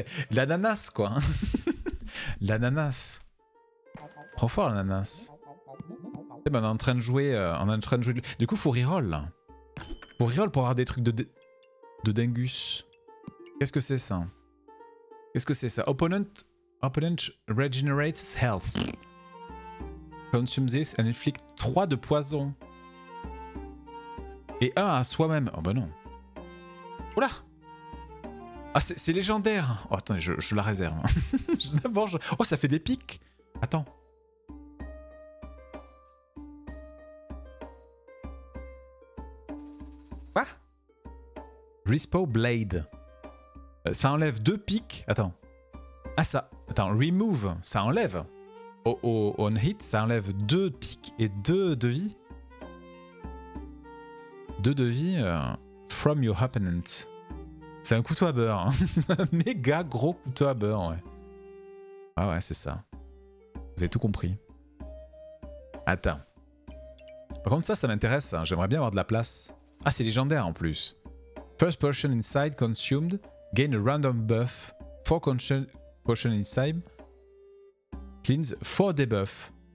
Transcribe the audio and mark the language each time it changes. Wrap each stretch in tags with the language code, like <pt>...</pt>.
<fr>L'ananas, quoi. L'ananas. Trop fort, l'ananas. Et ben, on est en train de jouer. Du coup, faut reroll. Faut reroll pour avoir des trucs de dingus. Qu'est-ce que c'est ça?</fr> <en>Opponent regenerates health. Consume this and inflict 3 de poison.</en> <fr>Et 1 à soi-même. Oh ben non. Oula. Ah, c'est légendaire. Oh, attendez, je la réserve. D'abord, Oh, ça fait des pics. Attends. Quoi? Respo Blade. Ça enlève 2 pics. Attends. Ah, ça... Attends, remove. Ça enlève. On hit, ça enlève 2 pics et 2 de vie.</fr> <en>2 de vie from your opponent.</en> <fr>C'est un couteau à beurre, hein. Méga gros couteau à beurre, ouais. Ah ouais, c'est ça. Vous avez tout compris. Attends. Par contre, ça m'intéresse, hein. J'aimerais bien avoir de la place. Ah, c'est légendaire en plus.</fr> <en>First potion inside consumed, gain a random buff. 4 potion inside, cleans 4 debuffs.</en>